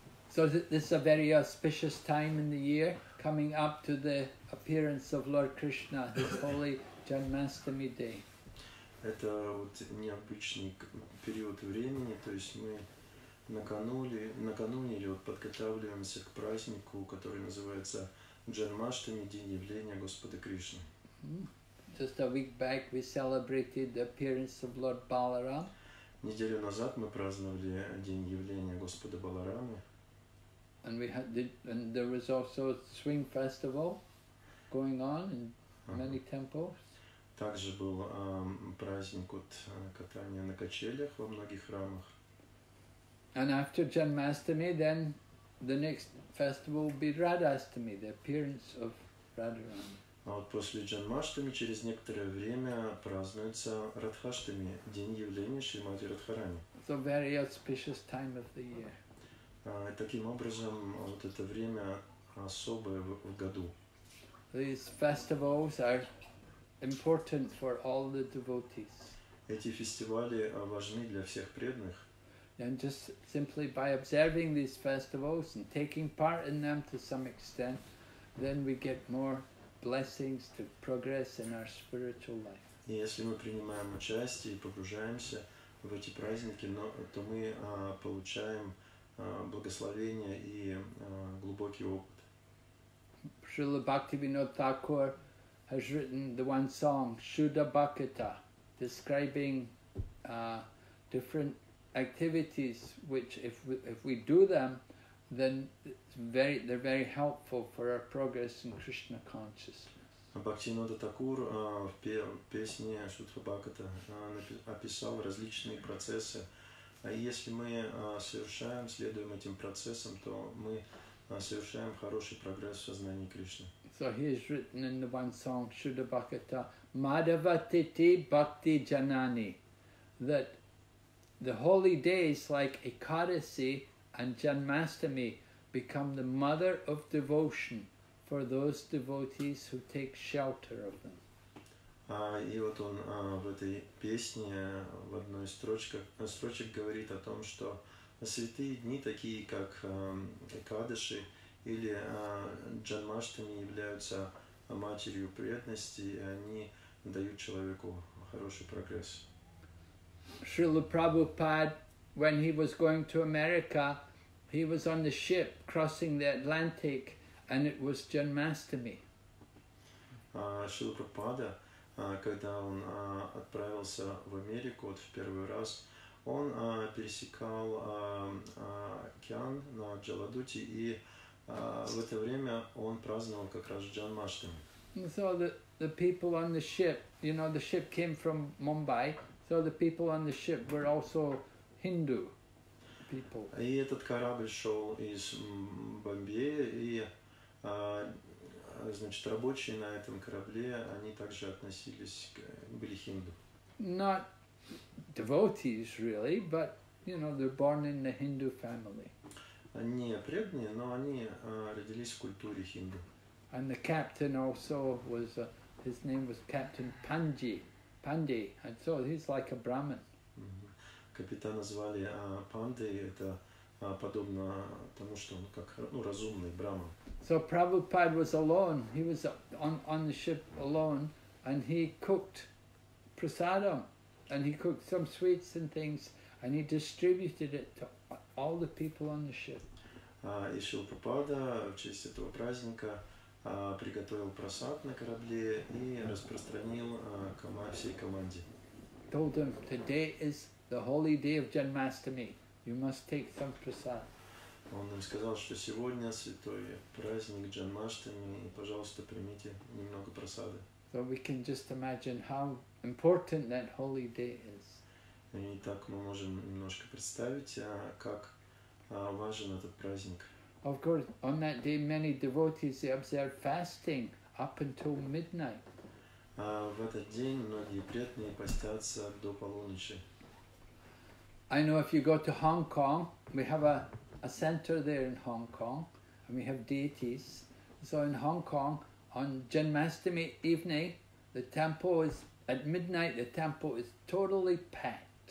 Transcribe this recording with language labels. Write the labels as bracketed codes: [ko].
[en] So this is a very auspicious time in the year, coming up to the appearance of Lord Krishna, this holy Janmashtami day. [ru] Это вот необычный период времени, то есть мы накануне или вот подготавливаемся к празднику, который называется Джанмаштами, день явления Господа Кришны. [en] Just a week back we celebrated the appearance of Lord Balaram. [ru] Неделю назад мы праздновали день явления Господа Баларамы. [en] And we had and there was also a swing festival going on in many temples. [ru] Также был праздник вот, катания на качелях во многих храмах. [en] And after Janmashtami, then the next festival will be Radhashtami, the appearance of Radharani. [ru] А вот после Janmashtami через некоторое время празднуется Радхаштами, день явления Шримати Радхарани. [en] So very auspicious time of the year. [ru] Таким образом, вот это время особое в году. [en] These festivals are important for all the devotees. [ru] Эти фестивали важны для всех преданных. [en] And just simply by observing these festivals and taking part in them to some extent, then we get more blessings to progress in our spiritual life. [ru] И если мы принимаем участие и погружаемся в эти праздники, то мы получаем благословение и глубокий опыт. [en] Srila Bhaktivinoda Thakur has written the one song, Shuddha Bhakata, describing different activities, which if we do them, then they're very helpful for our progress in Krishna consciousness. [ru] Bhaktivinoda Thakur в песне Shuddha Bhakata описал различные процессы. А если мы совершаем, следуем этим процессам, то мы совершаем хороший прогресс в сознании Кришны. [en] So he has written in the one song, Shuddha Bhakata, Madhava Titi Bhakti Janani, that the holy days like Ekadasi and Janmashtami become the mother of devotion for those devotees who take shelter of them. [ru] И вот он в этой песне, в одной строчке говорит о том, что святые дни, такие как Экадаши, или Джанмаштами являются матерью преданности, и они дают человеку хороший прогресс. [en] Шрила Прабхупад, when he was going to America, he was on the ship crossing the Atlantic, and it was Janmashtami. [ru] Шрила Прабхупада, когда он отправился в Америку вот в первый раз, он пересекал океан на Джаладути, и в это время он праздновал как раз Джанмаштами. [en] So the people on the ship, you know, the ship came from Mumbai, So the people on the ship were also Hindu people. [ru] И этот корабль шел из Бомбея, и значит, рабочие на этом корабле, они также относились, были хинду. [en] Not devotees, really, but, you know, they're born in the Hindu family. [ru] Не преданные, но они родились в культуре хинду. [en] And the captain also was, his name was Captain Panji, and so he's like a Brahmin. [ru] Капитана звали Панди, это подобно тому, что он как, ну, разумный Брахман. [en] So Prabhupada was alone, he was on the ship alone, and he cooked prasadam, and he cooked some sweets and things, and he distributed it to all the people on the ship. [ru] И Шрила Прабхупада в честь этого праздника приготовил прасад на корабле и распространил всей команде. [en] Told him, today is the holy day of Janmashtami. You must take some prasad. [ru] Он им сказал, что сегодня святой праздник Джанмаштами, и, пожалуйста, примите немного просады. [en] So we can just imagine how important that holy day is. [ru] И так мы можем немножко представить, как важен этот праздник. [en] Of course, on that day many devotees observed fasting up until midnight. [ru] В этот день многие преданные постятся до полуночи. [en] I know if you go to Hong Kong, we have a center there in Hong Kong, and we have deities. So in Hong Kong, on Janmashtami evening, the temple is, at midnight, the temple is totally packed.